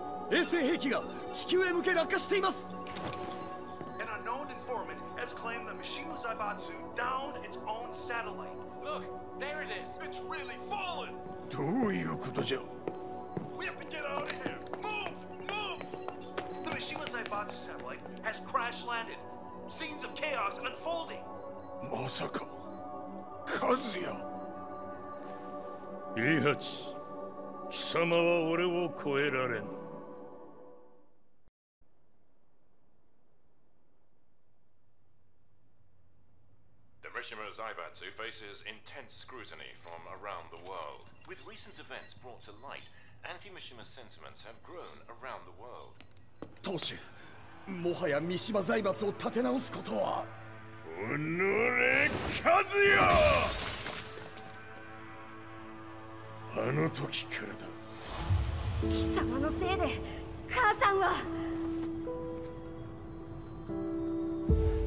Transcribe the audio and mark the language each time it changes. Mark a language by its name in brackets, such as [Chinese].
[Japanese] 衛星兵器が地球へ向け落下しています。 [English] An unknown informant has claimed the Mishima Zaibatsu downed its own satellite. Look, there it is. It's really fallen. [Japanese] どういうことじゃ。 [English] We have to get out of here. Move! The Mishima Zaibatsu satellite has crash landed. Scenes of chaos unfolding. [Japanese] まさか、カズヤ。イハチ、貴様は俺を超えられん。 [English] Zaibatsu faces intense scrutiny from around the world. With recent events brought to light, anti-Mishima sentiments have grown around the world. [Japanese] 当主、もはや三島財閥を立て直すことは… おのれ、カズヤ！あの時からだ。貴様のせいで、母さんは…